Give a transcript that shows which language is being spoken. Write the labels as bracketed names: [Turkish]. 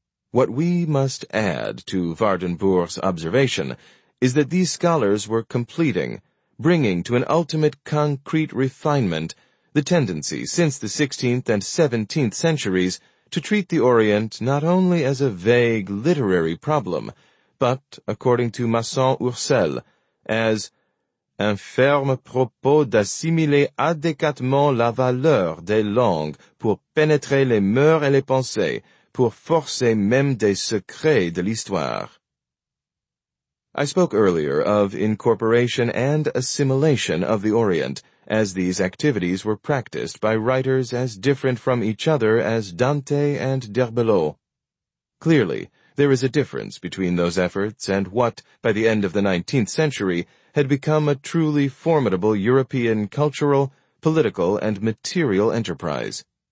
[English] What we must add to Vandenbourg's observation is that these scholars were completing, bringing to an ultimate concrete refinement, the tendency since the 16th and 17th centuries to treat the Orient not only as a vague literary problem, but, according to Masson-Ursel, as [French] un ferme propos d'assimiler adéquatement la valeur des langues pour pénétrer les mœurs et les pensées, pour forcer même des secrets de l'histoire. [English] I spoke earlier of incorporation and assimilation of the Orient, as these activities were practiced by writers as different from each other as Dante and D'Herbelot. Clearly, there is a difference between those efforts and what, by the end of the 19th century, had become a truly formidable European cultural, political, and material enterprise.